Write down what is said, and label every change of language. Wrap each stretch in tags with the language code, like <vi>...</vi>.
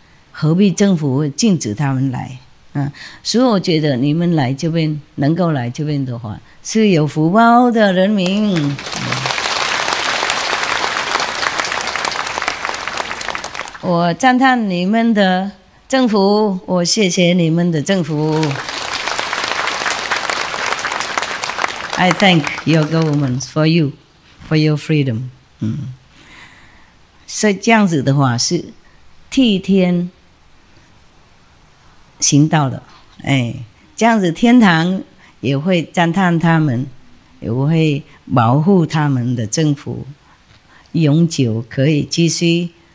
<zh>何必政府会禁止他们来？啊，所以我觉得你们来这边，能够来这边的话，是有福报的人民。我赞叹你们的政府，我谢谢你们的政府。</zh> <en>I thank your government for you, for your freedom.</en> <zh>所以这样子的话是替天行道的，这样子天堂也会赞叹他们，也会保护他们的政府，永久可以继续。</zh>